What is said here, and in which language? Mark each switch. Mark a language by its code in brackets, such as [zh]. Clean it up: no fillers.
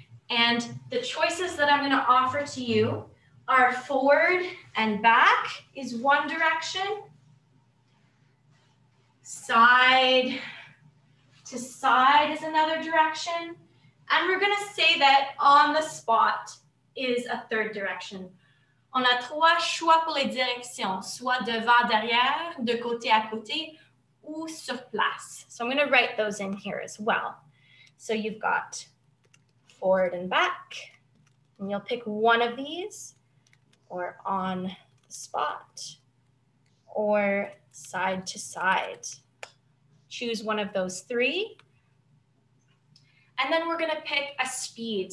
[en] And the choices that I'm going to offer to you are forward and back is one direction, side to side is another direction. And we're gonna say that on the spot is a third direction. [fr] On a trois choix pour les directions, soit devant, derrière, de côté à côté, ou sur place. [en] So I'm gonna write those in here as well. So you've got forward and back, and you'll pick one of these, or on the spot, or side to side. Choose one of those three. And then we're gonna pick a speed.